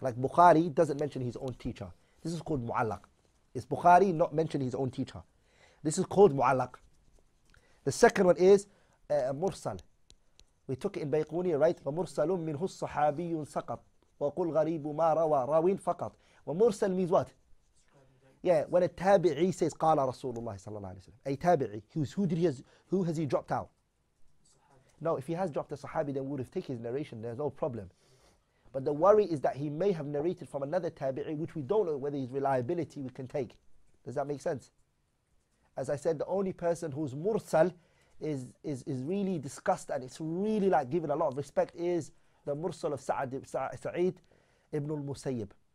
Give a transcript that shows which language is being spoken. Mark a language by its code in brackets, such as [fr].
[en] Like Bukhari doesn't mention his own teacher. This is called mu'allaq. It's Bukhari not mentioning his own teacher. This is called mu'allaq. The second one is mursal. We took it in Bayquni, right? [ar] وَمُرْسَلٌ مِّنْهُ الصَّحَابِيُّ سَقَطْ وَقُلْ غَرِيبُ مَا رَوَى رَوِينَ فَقَطْ. [en] وَمُرْسَل means what? Yeah, when a tabi'i says [ar] قَالَ رَسُولُ اللَّهِ صَلَى اللَّهِ عَلَيْهِ وَسَلَّمَ. [en] A tabi'i, who has he dropped out? No, if he has dropped a sahabi, then we would have taken his narration, there's no problem. But the worry is that he may have narrated from another tabi'i, which we don't know whether his reliability we can take. Does that make sense? As I said, the only person who's mursal is really discussed and it's really like given a lot of respect is the mursal of Sa'id ibn al-Musayyib.